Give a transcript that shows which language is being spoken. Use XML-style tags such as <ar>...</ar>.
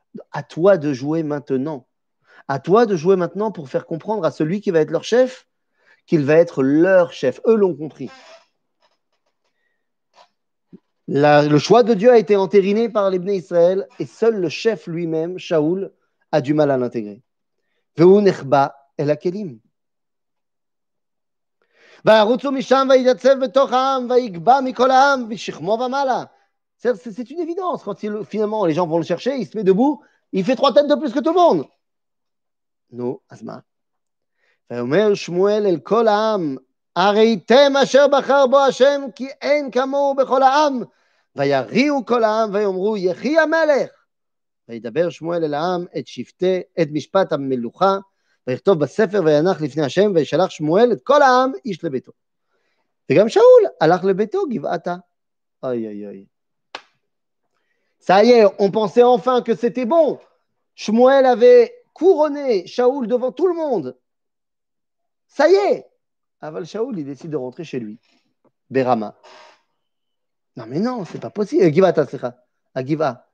<fr>À toi de jouer maintenant. À toi de jouer maintenant pour faire comprendre à celui qui va être leur chef qu'il va être leur chef. Eux l'ont compris. Le choix de Dieu a été entériné par l'Ibn Israël et seul le chef lui-même, Shaoul, a du mal à l'intégrer.</fr> <he>Ve'u nechba el akelim. וירוצו משם ויתייצב בתוך העם ויגבע מכל העם ושכמו ומעלה.</he> <fr>C'est une évidence. Quand finalement les gens vont le chercher, il se met debout, il fait trois têtes de plus que tout le monde.</fr> <he>נו, אז מה? ואומר שמואל אל כל העם, הראיתם אשר בחר בו השם כי אין כמוהו בכל העם. ויריעו כל העם ויאמרו יחי המלך. וידבר שמואל אל העם את משפט המלוכה. ויכתוב בספר וינח לפני השם וישלח שמואל את כל העם איש לביתו. וגם שאול הלך לביתו גבעתה. איי איי איי.</he> <fr>Ça y est, on pensait enfin que c'était bon. Shmuel avait couronné Shaoul devant tout le monde. Ça y est. Aval Shaoul, il décide de rentrer chez lui. Berama. Non mais non, c'est pas possible. Givata, c'est ça. A Giva.</fr>